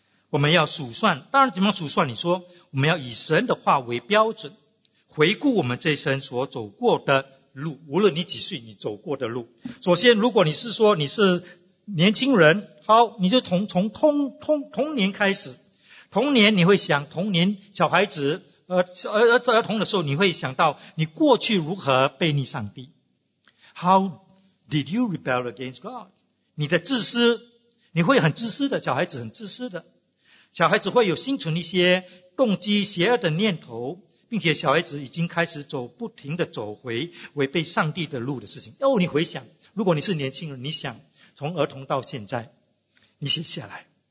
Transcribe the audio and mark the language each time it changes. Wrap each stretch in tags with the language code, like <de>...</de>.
<zh>我们要数算，当然怎么数算？你说，我们要以神的话为标准，回顾我们这一生所走过的路，无论你几岁，你走过的路。首先，如果你是说你是年轻人，好，你就从童年开始。童年你会想，童年小孩子儿童的时候，你会想到你过去如何悖逆上帝。</zh> <en>How did you rebel against God?</en> <zh>你的自私，你会很自私的，小孩子很自私的。小孩子会有心存一些动机邪恶的念头，并且小孩子已经开始不停地走回违背上帝的路的事情。哦，你回想，如果你是年轻人，你想从儿童到现在，你写下来。</zh>